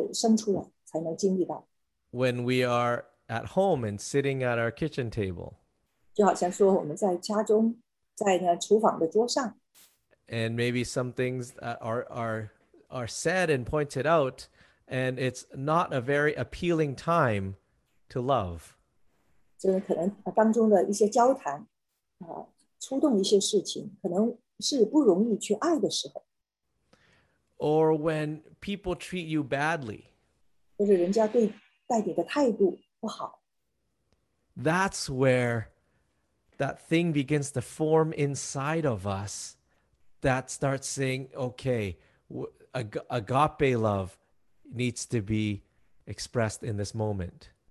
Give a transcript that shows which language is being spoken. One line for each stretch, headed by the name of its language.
Chinese: 但是呢,我们必须在一些的促进的当中,让这种的爱从我们里面被触动,来生出来,才能经历到。When
English: we are at home and sitting at our kitchen table.
Chinese: 就好像说我们在家中,在厨房的桌上。And
English: maybe some things are said and pointed out, and it's not a very appealing time to love.
Chinese: 就是可能当中的一些交谈,触动一些事情,可能是不容易去爱的时候。
English: Or when people treat you badly.
Chinese: 就是人家对待你的态度不好。
English: That's where that thing begins to form inside of us that starts saying, okay, agape love needs to be expressed in this moment.